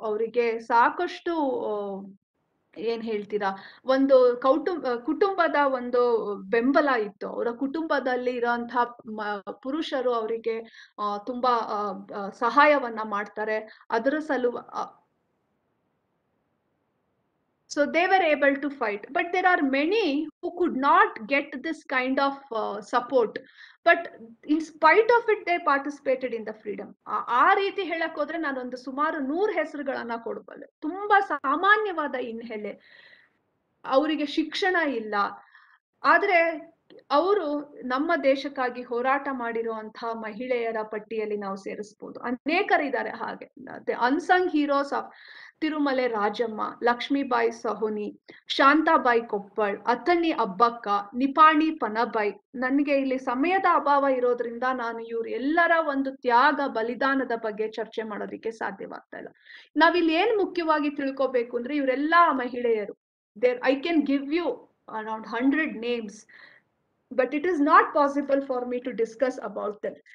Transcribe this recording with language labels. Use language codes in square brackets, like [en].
[kn] ಅವರಿಗೆ ಸಾಕಷ್ಟು ಏನ್ ಹೇಳ್ತೀರಾ, ಒಂದು ಕುಟುಂಬದ ಒಂದು ಬೆಂಬಲ ಇತ್ತು. ಅವರ ಕುಟುಂಬದಲ್ಲಿ ಇರೋಂಥ ಪುರುಷರು ಅವರಿಗೆ ತುಂಬಾ ಸಹಾಯವನ್ನ ಮಾಡ್ತಾರೆ ಅದರ ಸಲುವಾಗಿ. [en] So they were able to fight, but there are many who could not get this kind of support, but in spite of it they participated in the freedom. [kn] Aa reethi helakodre nan ondu sumaru 100 hesrugalanna kodabale. Tumba samanyavada inhele avrige shikshana illa, aadre ಅವರು ನಮ್ಮ ದೇಶಕ್ಕಾಗಿ ಹೋರಾಟ ಮಾಡಿರುವಂತಹ ಮಹಿಳೆಯರ ಪಟ್ಟಿಯಲ್ಲಿ ನಾವು ಸೇರಿಸ್ಬೋದು. ಅನೇಕರಿದ್ದಾರೆ ಹಾಗೆ, ಮತ್ತೆ [en] unsung heroes of [kn] Tirumale Rajamma, Lakshmibai ಸಹೋನಿ, Shantabai Koppal, Athani Abbakka, Nipani ಪನಬಾಯಿ. ನನಗೆ ಇಲ್ಲಿ ಸಮಯದ ಅಭಾವ ಇರೋದ್ರಿಂದ ನಾನು ಇವ್ರ ಎಲ್ಲರ ಒಂದು ತ್ಯಾಗ ಬಲಿದಾನದ ಬಗ್ಗೆ ಚರ್ಚೆ ಮಾಡೋದಿಕ್ಕೆ ಸಾಧ್ಯವಾಗ್ತಾ ಇಲ್ಲ. ನಾವಿಲ್ಲಿ ಏನ್ ಮುಖ್ಯವಾಗಿ ತಿಳ್ಕೋಬೇಕು ಅಂದ್ರೆ ಇವರೆಲ್ಲಾ ಮಹಿಳೆಯರು. [en] There I can give you around 100 names, but it is not possible for me to discuss about them.